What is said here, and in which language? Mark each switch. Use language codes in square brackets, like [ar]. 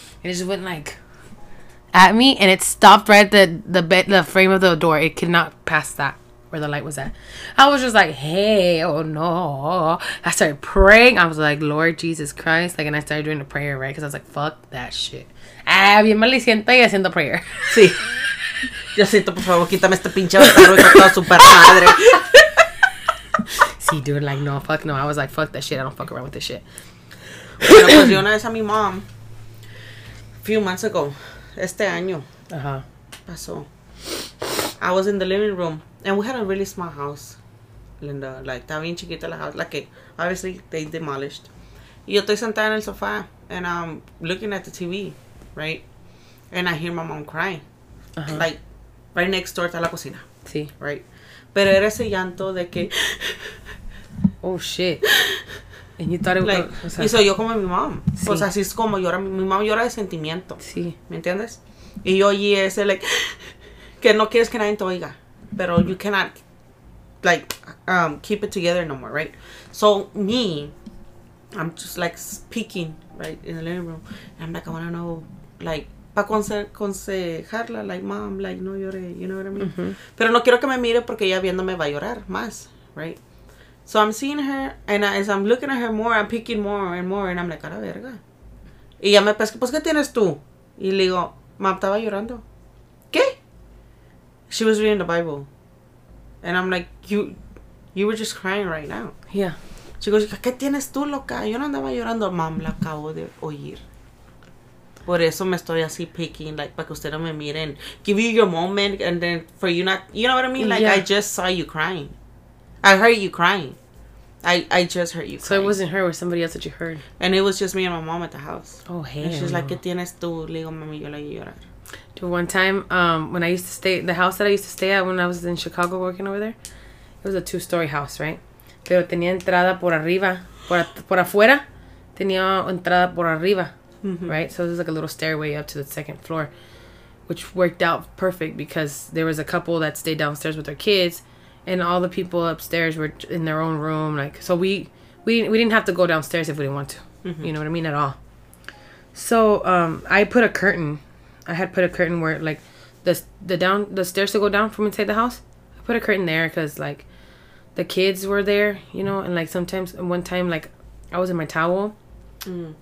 [en] And it just went, like, at me, and it stopped right at the frame of the door. It could not pass that. Where the light was at. I was just like, hey, oh no. I started praying. I was like, Lord Jesus Christ. Like, and I started doing the prayer, right? Because I was like, fuck that shit. [es] Ah, bien maliciente y haciendo [en] prayer. [es] Sí. Yo siento, por favor, quítame este pinche barro y toda su perra madre. [en] Sí, dude, like, no, fuck no. I was like, fuck that shit. I don't fuck around with this shit. [es] Bueno, pues yo una vez a mi mom, [en] few months ago, [es] este año, pasó. [en] I was in the living room. And we had a really small house, Linda. Like, [es] estaba bien chiquita la [en] house. Like, obviously, they demolished. [es] Y yo estoy sentada en el sofá. [en] And I'm looking at the TV, right? And I hear my mom crying. Like, right next door [es] está la cocina. Sí. Right? Pero era ese llanto de que... [en] Oh, shit. And you thought it [es] like, was... Y soy yo como mi mom. Sí. O sea, así es como llora. Mi mom llora de sentimiento. Sí. ¿Me entiendes? Y yo allí ese, like... Que no quieres que nadie te oiga. [en] But you cannot, like, keep it together no more, right? So, me, I'm just, like, peeking, right, in the living room. And I'm like, I want to know, like, [es] para aconsejarla, [en] like, mom, like, [es] no llore, [en] you know what I mean? [es] Pero no quiero que me mire porque ella viéndome va a llorar más, right? [en] So, I'm seeing her, and as I'm looking at her more, I'm peeking more and more, and I'm like, [es] a la verga. Y ella me pesca, pues, ¿qué tienes tú? Y le digo, mam, estaba llorando. ¿Qué? [en] She was reading the Bible. And I'm like, you were just crying right now. Yeah. She goes, [es] ¿qué tienes tú, loca? Yo no andaba llorando. Mam, la acabo de oír. Por eso me estoy así picking, like, para que usted no me miren. [en] Give you your moment, and then for you not, you know what I mean? Like, yeah. I just saw you crying. I heard you crying. I just heard you crying. So it wasn't her, it was somebody else that you heard. And it was just me and my mom at the house. Oh, hey. And she's like, [es] ¿qué tienes tú? Le digo, mami, yo la voy a llorar. [en] Dude, one time, when I used to stay, the house that I used to stay at when I was in Chicago working over there, it was a two-story house, right? [es] Pero tenía entrada por arriba, por afuera, tenía entrada por arriba. Mm-hmm. [en] Right, so there's like a little stairway up to the second floor, which worked out perfect because there was a couple that stayed downstairs with their kids, and all the people upstairs were in their own room. Like, so we didn't have to go downstairs if we didn't want to, mm-hmm. you know what I mean, at all. So I had put a curtain where, like, the stairs to go down from inside the house, I put a curtain there because, like, the kids were there, you know, and, like, sometimes one time, like, I was in my towel. Mm.